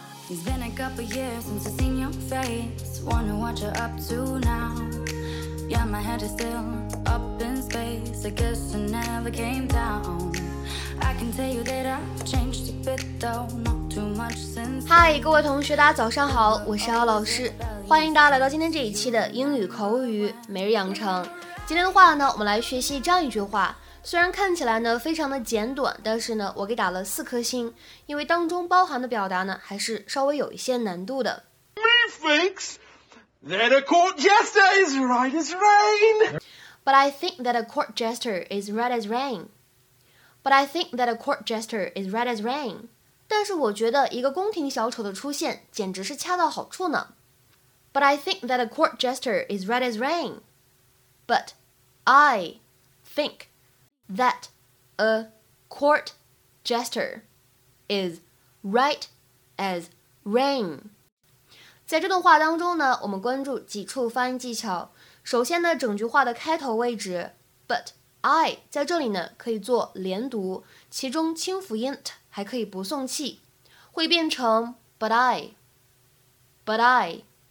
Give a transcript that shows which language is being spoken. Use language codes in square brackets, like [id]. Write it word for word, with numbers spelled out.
[en] It's been a couple years since I've seen your face. Wonder what you're up to now. Yeah, my head is still up in space. I guess I never came down. I can tell you that I've changed a bit though. Not too much since. [zh] 嗨，各位同学，大家早上好，我是姚老师，欢迎大家来到今天这一期的英语口语每日养成。今天的话呢，我们来学习这样一句话。虽然看起来呢非常的简短，但是呢我给打了四颗星，因为当中包含的表达呢还是稍微有一些难度的。 [en] We thinks that a court jester is right as rain. But I think that a court jester is right as rain. But I think that a court jester is right as rain. [zh] 但是我觉得一个宫廷小丑的出现简直是恰到好处呢。 [en] But I think that a court jester is right as rain. But I think. That a court jester is right as rain. [zh] 在这段话当中呢，我们关注几处发音技巧。首先呢，整句话的开头位置 but I 在这里呢可以做连读，其中清辅音 t 还可以不送气，会变成 [en] but I, but I.